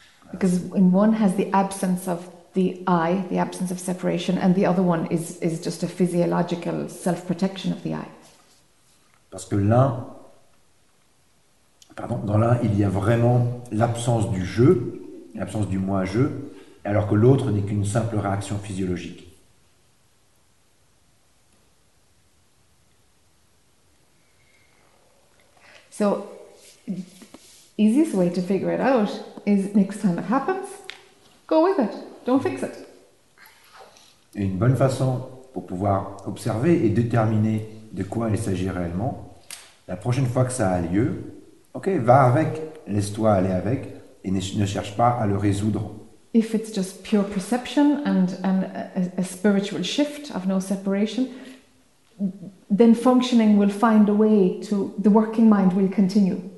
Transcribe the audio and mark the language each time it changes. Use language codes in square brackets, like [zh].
[en] Because in one has the absence of the I, the absence of separation, and the other one is just a physiological self-protection of the I. [fr] Parce que l'un, dans l'un, il y a vraiment l'absence du jeu, l'absence du moi-jeu, alors que l'autre n'est qu'une simple réaction physiologique. [en] So, the easiest way to figure it out is next time it happens, go with it, don't fix it. [fr] Et une bonne façon pour pouvoir observer et déterminer de quoi il s'agit réellement, la prochaine fois que ça a lieu, ok, va avec, laisse-toi aller avec et ne cherche pas à le résoudre. [en] If it's just pure perception and a spiritual shift of no separation, then functioning will find a way to, the working mind will continue.